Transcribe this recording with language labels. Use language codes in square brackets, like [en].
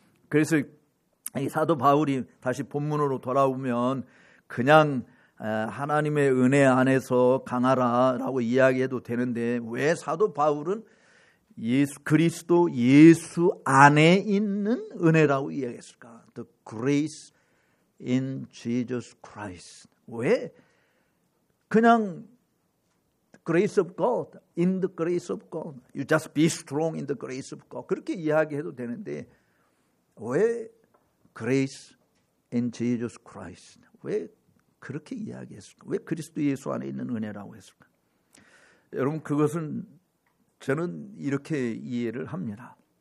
[ko] 그래서 이 사도 바울이 다시 본문으로 돌아오면 그냥 하나님의 은혜 안에서 강하라라고 이야기해도 되는데 왜 사도 바울은 예수 그리스도 예수 안에 있는 은혜라고 이야기했을까? [en] The grace in Jesus Christ. [ko] 왜? 그냥 [en] grace of God, in the grace of God. You just be strong in the grace of God. [ko] 그렇게 이야기해도 되는데 왜 [en] grace in Jesus Christ? [ko] 왜 그렇게 이야기했을까? 왜 그리스도 예수 안에 있는 은혜라고 했을까? 여러분 그것은 저는 이렇게 이해를 합니다.